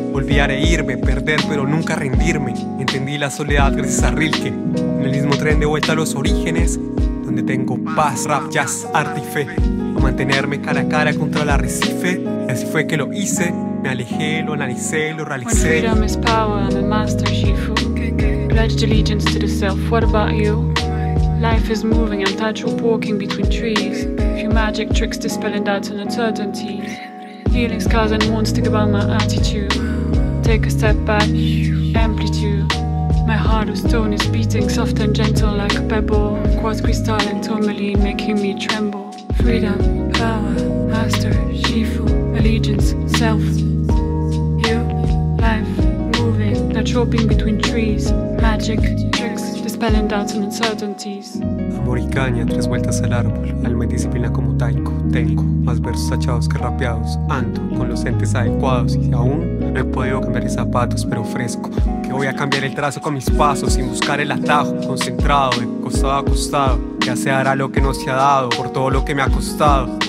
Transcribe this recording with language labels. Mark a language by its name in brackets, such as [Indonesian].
[Spanish] Olvidar e irme, perder pero nunca rendirme. Entendí la soledad gracias a Rilke. En el mismo tren de vuelta a los orígenes, donde tengo paz, rap, jazz, arte y fe. A mantenerme cara a cara contra el arrecife. Y así fue que lo hice, me alejé, lo analicé, lo realicé. [English] When freedom is power, I'm a master shifu. Pledged allegiance to the self, what about you? Life is moving, I'm tightrope walking between trees. Few magic tricks dispelling doubts and uncertainties. Healing scars and wounds stick about my attitude. Take a step back, amplitude. My heart of stone is beating soft and gentle like a pebble. Quartz crystal and tourmaline making me tremble. Freedom, power, master, shifu, allegiance, self. You, life, moving, tightrope between trees. Magic tricks dispelling doubts and uncertainties. [Spanish] Amor y caña, tres vueltas al árbol. Alma y disciplina como Taiko, tengo más versos achados que rapeados. Ando con los entes adecuados y aún no he podido cambiar mis zapatos, pero ofrezco que voy a cambiar el trazo con mis pasos sin buscar el atajo. Concentrado, de costado a costado, ya se hará lo que no se ha dado por todo lo que me ha costado.